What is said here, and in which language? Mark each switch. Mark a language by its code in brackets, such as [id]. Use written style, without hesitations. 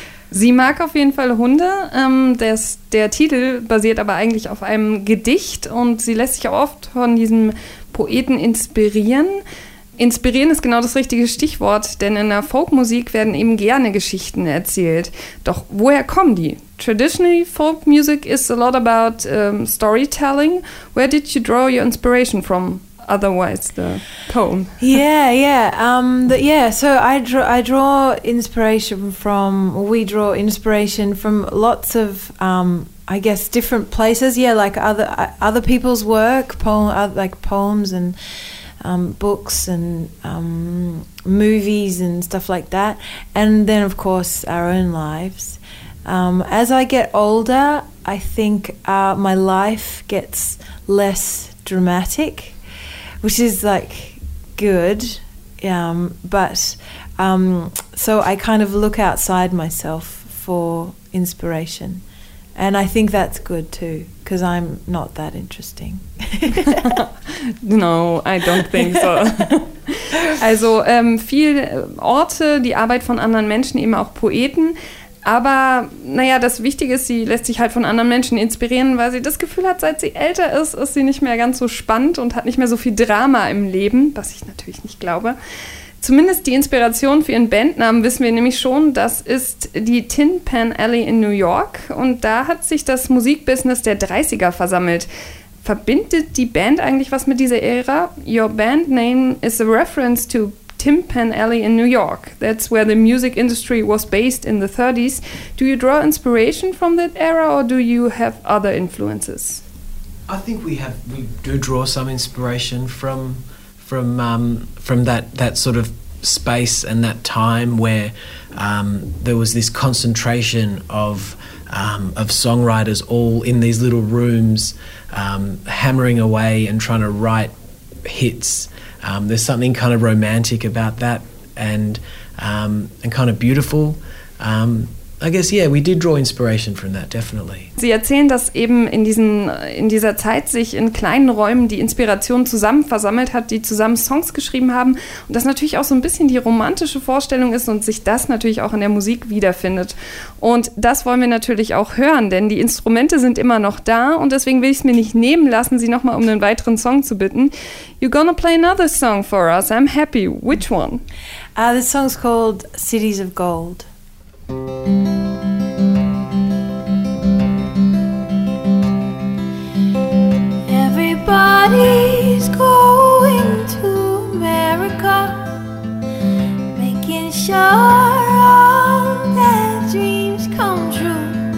[de] Sie mag auf jeden Fall Hunde. Der Titel basiert aber eigentlich auf einem Gedicht und sie lässt sich auch oft von diesem Poeten inspirieren. Inspirieren ist genau das richtige Stichwort, denn in der Folkmusik werden eben gerne Geschichten erzählt. Doch woher kommen die? [en] Traditionally, folk music is a lot about storytelling. Where did you draw your inspiration from? Otherwise, the poem. So I draw inspiration from. We draw inspiration from lots of, I guess, different places. Yeah, like other people's work, poems and books and movies and stuff like that, and then of course our own lives. As I get older, I think my life gets less dramatic, which is like good, so I kind of look outside myself for inspiration. And I think that's good too, because I'm not that interesting. No, I don't think so. [de] Also viele Orte, die Arbeit von anderen Menschen, eben auch Poeten. Aber naja, das Wichtige ist, sie lässt sich halt von anderen Menschen inspirieren, weil sie das Gefühl hat, seit sie älter ist, ist sie nicht mehr ganz so spannend und hat nicht mehr so viel Drama im Leben, was ich natürlich nicht glaube. Zumindest die Inspiration für ihren Bandnamen wissen wir nämlich schon. Das ist die Tin Pan Alley in New York. Und da hat sich das Musikbusiness der 30er versammelt. Verbindet die Band eigentlich was mit dieser Ära? [en] Your band name is a reference to Tin Pan Alley in New York. That's where the music industry was based in the 30s. Do you draw inspiration from that era or do you have other influences? I think we do draw some inspiration from that sort of space and that time where there was this concentration of songwriters all in these little rooms hammering away and trying to write hits. There's something kind of romantic about that and kind of beautiful. I guess, yeah, we did draw inspiration from that, definitely. [de] Sie erzählen, dass eben in dieser Zeit sich in kleinen Räumen die Inspiration zusammen versammelt hat, die zusammen Songs geschrieben haben und das natürlich auch so ein bisschen die romantische Vorstellung ist und sich das natürlich auch in der Musik wiederfindet. Und das wollen wir natürlich auch hören, denn die Instrumente sind immer noch da und deswegen will ich es mir nicht nehmen lassen, Sie nochmal um einen weiteren Song zu bitten. [en] You're gonna play another song for us. I'm happy. Which one? The song's called Cities of Gold. Everybody's going to America, making sure all their dreams come true.